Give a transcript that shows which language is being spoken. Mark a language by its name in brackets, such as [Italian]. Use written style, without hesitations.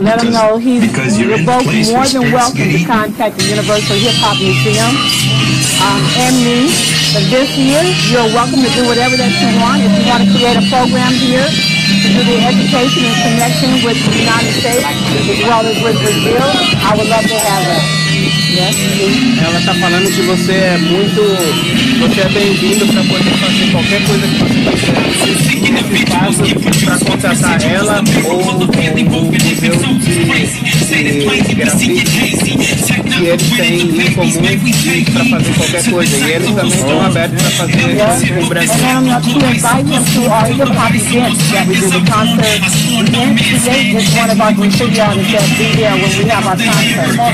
[English] Let him know you're both more than welcome to contact the Universal Hip Hop Museum and me. But this year, you're welcome to do whatever that you want. If you want to create a program here to do the education and connection with the United States as well as with Brazil, I would love to have it. Yes. [Portuguese] Ela está falando que você é bem-vindo para poder fazer qualquer coisa que você quiser. Se caso, para contratar ela ou o museu de grafite, que eles têm em comum para fazer qualquer coisa. E eles também estão abertos para fazer o Brasil. [English] And I'm to invite him to our hip-hop event that we do the concert. And today, just one of our contributors that be there when we have our concert.